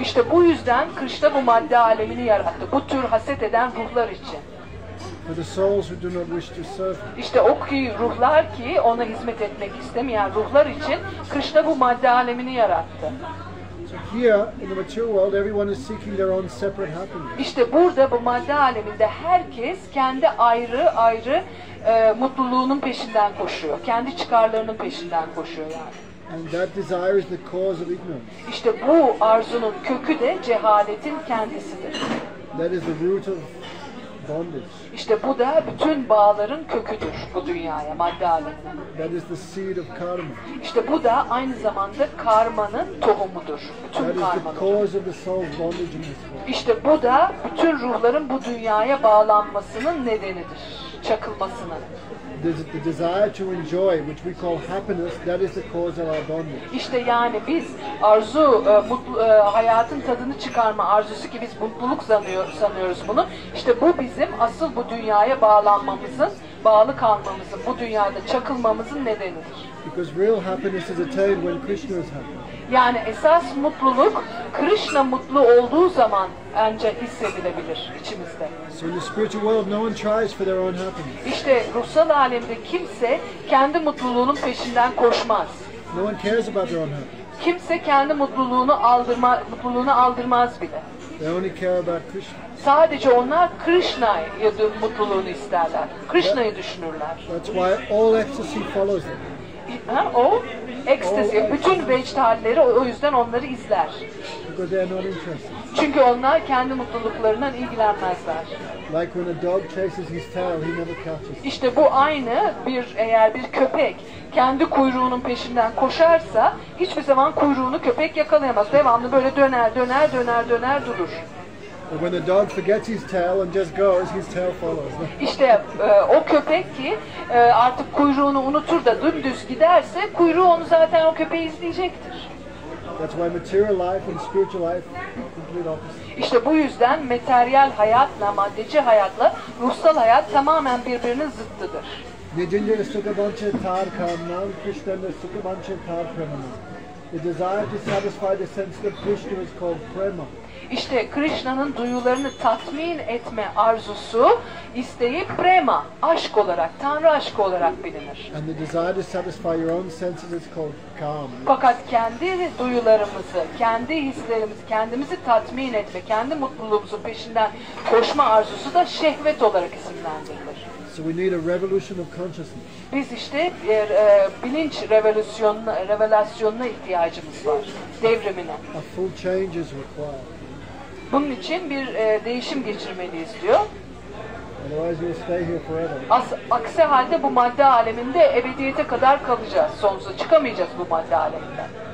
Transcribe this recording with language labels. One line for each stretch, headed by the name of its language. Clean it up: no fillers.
Turkish: İşte bu yüzden Krishna bu madde alemini yarattı. Bu tür haset eden ruhlar için.
English: For the souls who do not wish to serve.
Turkish: İşte o ki ruhlar ki ona hizmet etmek istemeyen ruhlar için Krishna bu madde alemini yarattı.
English: So here in the material world, everyone is seeking their own separate happiness.
Turkish: İşte burada bu madde aleminde herkes kendi ayrı mutluluğunun peşinden koşuyor, kendi çıkarlarının peşinden koşuyor yani.
English: And that desire is the cause of ignorance.
Turkish: İşte bu arzunun kökü de cehaletin kendisidir.
English: That is the root of bondage.
Turkish: İşte bu da bütün bağların köküdür bu dünyaya, madde alemine.
English: That is the seed of karma.
Turkish: İşte bu da aynı zamanda karmanın tohumudur, bütün karmanın.
English: That is the cause of the soul's bondage in this world.
Turkish: İşte bu da bütün ruhların bu dünyaya bağlanmasının nedenidir, çakılmasının.
English: The desire to enjoy, which we call happiness, that is the cause of our bondage.
Turkish: İşte yani biz arzu, hayatın tadını çıkarma arzusu ki biz mutluluk sanıyoruz bunu. İşte bu bizim asıl bu dünyaya bağlanmamızın, bağlı kalmamızın, bu dünyada çakılmamızın nedenidir.
English: Because real happiness is attained when Krishna is happy.
Turkish: Yani esas mutluluk Krishna mutlu olduğu zaman ancak hissedilebilir içimizde.
English: So in the spiritual world, no one tries for their own happiness.
Turkish: İşte ruhsal alemde kimse kendi mutluluğunun peşinden koşmaz.
English: No one cares about their own happiness.
Turkish: Kimse kendi mutluluğunu aldırmaz bile.
English: They only care about Krishna.
Turkish: Sadece onlar Krishna'yı mutluluğunu isterler. Krishna'yı düşünürler.
English: That's why all ecstasy follows them.
Turkish: O ekstasi, bütün vecd halleri o yüzden onları izler.
English: Because they are not interested.
Turkish: Çünkü onlar kendi mutluluklarından ilgilenmezler.
English: Like when a dog chases his tail, he never catches.
Turkish: İşte bu aynı eğer bir köpek kendi kuyruğunun peşinden koşarsa hiçbir zaman kuyruğunu köpek yakalayamaz. Devamlı böyle döner durur.
English: When the dog forgets his tail and just goes, his tail follows.
Turkish: İşte o köpek ki artık kuyruğunu unutur da dümdüz giderse kuyruğu onu zaten o köpeği izleyecektir.
English: That's why material life and spiritual life are complete opposite.
Turkish: İşte bu yüzden materyal hayatla maddeci hayatla ruhsal hayat tamamen birbirinin zıttıdır.
Sanskrit: Nedince sukabancha tarkanam, kishtende sukabancha tarkanam.
English: The desire to satisfy the sense of Krishna is called prema.
Turkish: İşte Krishna'nın duyularını tatmin etme arzusu, isteği prema, aşk olarak, Tanrı aşkı olarak bilinir.
English: And the desire to satisfy your own senses is called kama.
Turkish: Fakat kendi duyularımızı, kendi hislerimizi, kendimizi tatmin etme, kendi mutluluğumuzun peşinden koşma arzusu da şehvet olarak isimlendirilir.
English: So we need a revolution of consciousness.
Turkish: Biz işte bir bilinç revolüsyonuna ihtiyacımız var, devrimine.
English: A full change is required.
Turkish: Bunun için bir değişim geçirmeliyiz diyor.
English: Otherwise we'll stay here forever.
Turkish: Aksi halde bu madde aleminde ebediyete kadar kalacağız, sonsuza çıkamayacağız bu madde aleminden.